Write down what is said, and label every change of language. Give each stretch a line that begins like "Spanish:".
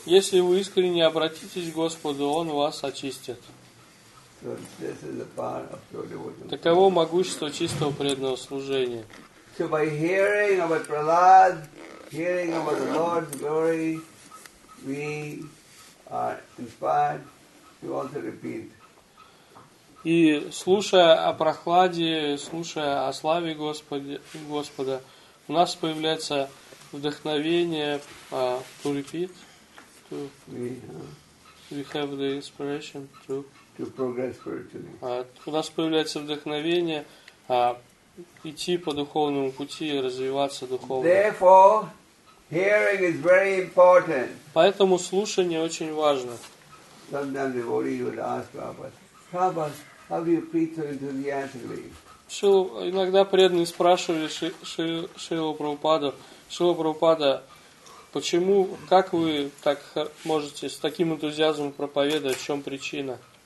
Russian: Если вы искренне обратитесь к Господу, Он вас очистит.
English: So this is the power of pure devotion.
Russian: Таково могущество чистого преданного служения.
English: So by hearing about Prahlad, hearing about the Lord's glory, we are inspired to also repeat.
Russian: И слушая о прохладе, слушая о славе Господа, у нас появляется вдохновение
English: to repeat, to we have the inspiration to progress spiritually.
Russian: У нас появляется вдохновение идти по духовному пути, развиваться духовно.
English: Therefore, hearing is very important.
Russian: Поэтому слушание очень важно.
English: Sometimes the devotee would ask Prabhupada, how do you preach so enthusiastically?
Russian: Иногда преданные спрашивали Шрилу Прабхупаду, Шрила Прабхупада, почему, как вы так можете с таким энтузиазмом проповедовать, в чем причина?